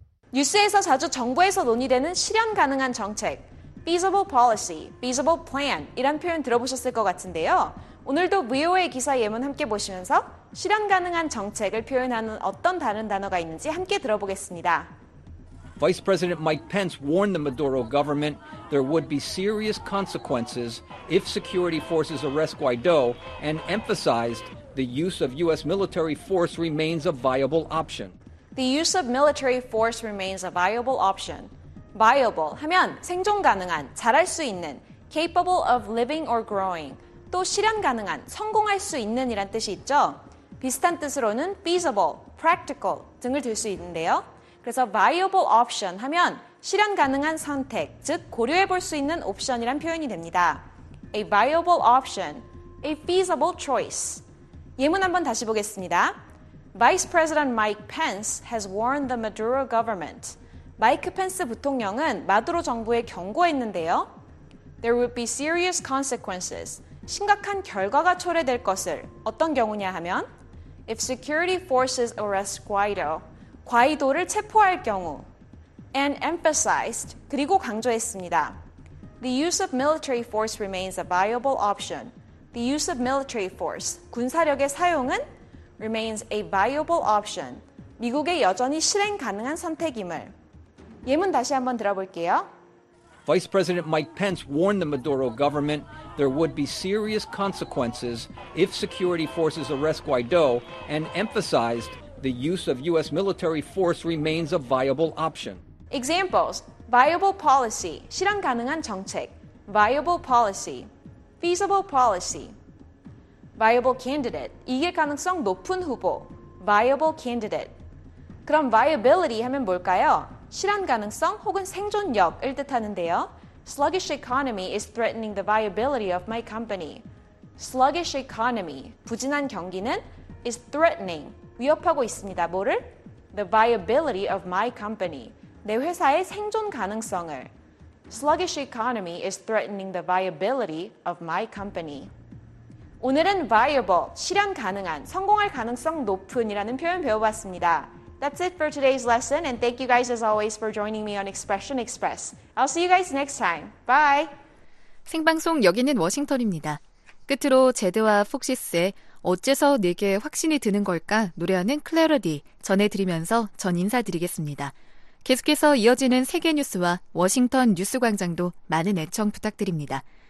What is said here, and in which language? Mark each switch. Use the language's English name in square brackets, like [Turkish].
[Korean] 뉴스에서 자주 정부에서 논의되는 실현 가능한 정책, [English] feasible policy, feasible plan [Korean] 이런 표현 들어보셨을 것 같은데요. 오늘도 VOA 기사 예문 함께 보시면서 실현 가능한 정책을 표현하는 어떤 다른 단어가 있는지 함께 들어보겠습니다. [English] Vice President Mike Pence warned the Maduro government there would be serious consequences if security forces arrest Guaido and emphasized the use of U.S. military force remains a viable option. The use of military force remains a viable option. [Korean] Viable 하면 생존 가능한, 잘할 수 있는, [English] capable of living or growing, [Korean] 또 실현 가능한, 성공할 수 있는 이란 뜻이 있죠. 비슷한 뜻으로는 feasible, practical 등을 들 수 있는데요. 그래서 viable option 하면 실현 가능한 선택, 즉 고려해 볼 수 있는 옵션이란 표현이 됩니다. [English] A viable option, a feasible choice. [Korean] 예문 한번 다시 보겠습니다. [English] Vice President Mike Pence has warned the Maduro government. [Korean] 마이크 펜스 부통령은 마두로 정부에 경고했는데요. [English] There would be serious consequences. [Korean] 심각한 결과가 초래될 것을 어떤 경우냐 하면 [English] If security forces arrest Guaido, [Korean] 과이도를 체포할 경우 [English] and emphasized, [Korean] 그리고 강조했습니다. [English] The use of military force remains a viable option. The use of military force, [Korean] 군사력의 사용은 [English] remains a viable option. [Korean] 미국의 여전히 실행 가능한 선택임을. 예문 다시 한번 들어볼게요. [English] Vice President Mike Pence warned the Maduro government there would be serious consequences if security forces arrest Guaido and emphasized the use of U.S. military force remains a viable option. Examples, viable policy, [Korean] 실현 가능한 정책, [English] viable policy, feasible policy, viable candidate, [Korean] 이길 가능성 높은 후보, [English] viable candidate. [Korean] 그럼 viability 하면 뭘까요? 실현 가능성 혹은 생존력을 뜻하는데요. [English] Sluggish economy is threatening the viability of my company. Sluggish economy, [Korean] 부진한 경기는 [English] is threatening, [Korean] 위협하고 있습니다. 뭐를? [English] The viability of my company. [Korean] 내 회사의 생존 가능성을. [English] Sluggish economy is threatening the viability of my company. [Korean] 오늘은 viable, 실현 가능한, 성공할 가능성 높은이라는 표현 배워봤습니다. [English] That's it for today's lesson and thank you guys as always for joining me on Expression Express. I'll see you guys next time. Bye! [Korean] 생방송 여기는 워싱턴입니다. 끝으로 제드와 폭시스의 어째서 내게 확신이 드는 걸까 노래하는 클래러디 전해드리면서 전 인사드리겠습니다. 계속해서 이어지는 세계 뉴스와 워싱턴 뉴스 광장도 많은 애청 부탁드립니다.